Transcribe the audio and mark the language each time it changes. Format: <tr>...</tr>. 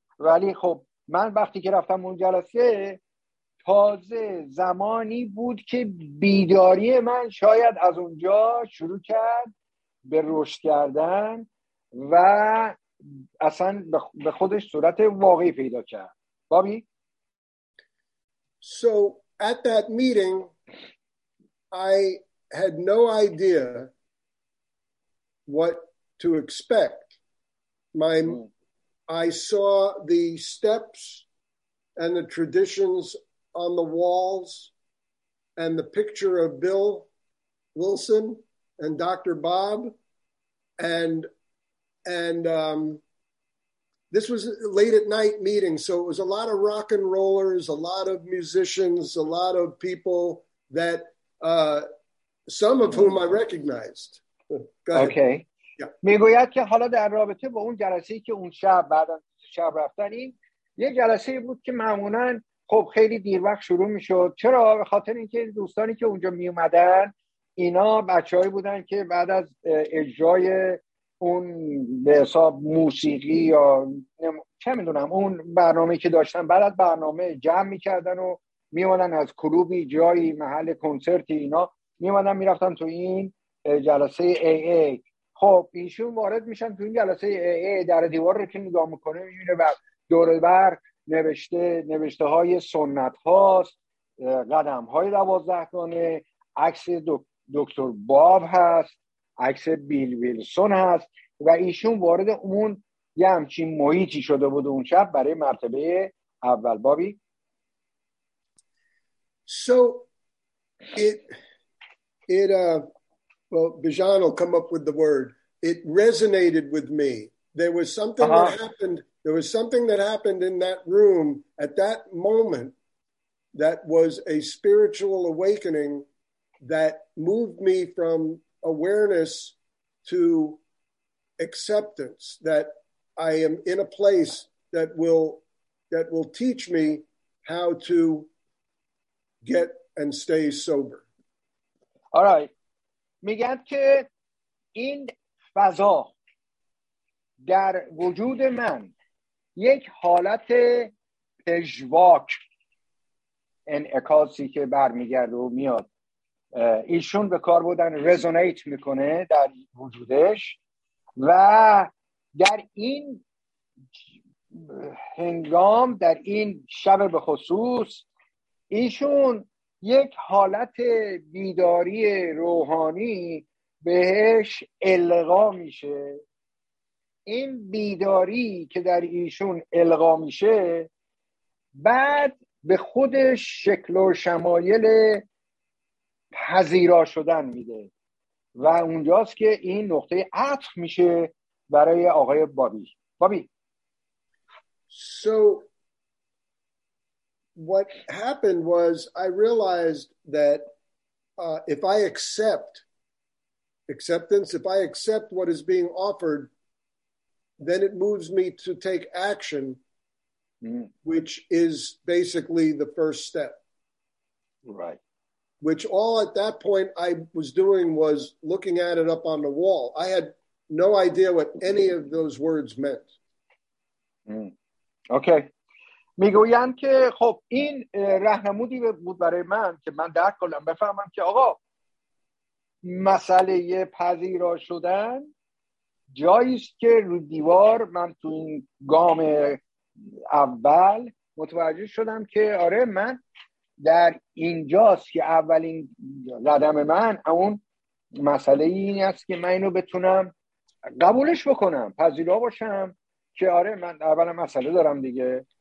<fa>ولی خب من وقتی که رفتم اون جلسه تازه زمانی بود که بیداری من شاید از اونجا شروع کرد به رشد کردن و اصلا به خودش صورت واقعی پیدا کرد. بابی؟</fa> <en>So at that meeting, I had no idea what to expect. I saw the steps and the traditions on the walls and the picture of Bill Wilson and Dr. Bob. And this was late at night meeting, so it was a lot of rock and rollers, a lot of musicians, a lot of people that some of whom I recognized. Okay.</en> <fa>میگویید که حالا در رابطه با اون جلسه‌ای که اون شب بعد از شب رفتن، این یه جلسه بود که معمولاً خب خیلی دیر وقت شروع میشد. چرا؟ به خاطر اینکه دوستانی که اونجا می اومدن اینا بچه‌هایی بودن که بعد از اجرای اون به حساب موسیقی یا چه میدونم اون برنامه که داشتن، بعد از برنامه جمع میکردن و میمادن از کلوبی جایی محل کنسرتی اینا میمادن میرفتن تو این جلسه AA. خب ایشون وارد میشن تو این جلسه AA، در دیوار رو که نگاه میکنه میبینه و دور بر نوشته های سنت هاست، قدم های 12 گانه، عکس دکتر باب هست، عکس بیل ویلسون هست، و ایشون وارد اون یه همچین محیطی شده بود اون شب برای مرتبه اول. بابی؟</fa> <en>So well Bijan will come up with the word. It resonated with me. There was something that happened in that room at that moment that was a spiritual awakening that moved me from awareness to acceptance, that I am in a place that will teach me how to get and stay sober. All right.</en> <fa>میگن که این فضا در وجود من یک حالت پژواک انعکاسی که برمیگرده و میاد ایشون به کار بودن رزونیت میکنه در وجودش. و در این هنگام، در این شب به خصوص، ایشون یک حالت بیداری روحانی بهش القا میشه. این بیداری که در ایشون القا میشه بعد به خودش شکل و شمایل پذیرا شدن میده و اونجاست که این نقطه عطف میشه برای آقای بابی. بابی.</fa> <en>So what happened was I realized that if I accept acceptance, if I accept what is being offered, then it moves me to take action, which is basically the first step. Right. Which all at that point I was doing was looking at it up on the wall. I had no idea what any of those words meant. Okay.</en> <fa>میگویند که خب این راهنمودی بود برای من که من درک کنم، بفهمم که آقا مسئله پذیرا شدن جاییست که رو دیوار من تو این گام اول متوجه شدم که آره من در اینجاست که اولین قدم من اون مسئله این است که من اینو بتونم قبولش بکنم، پذیرا باشم که آره من اول مسئله دارم دیگه.</fa>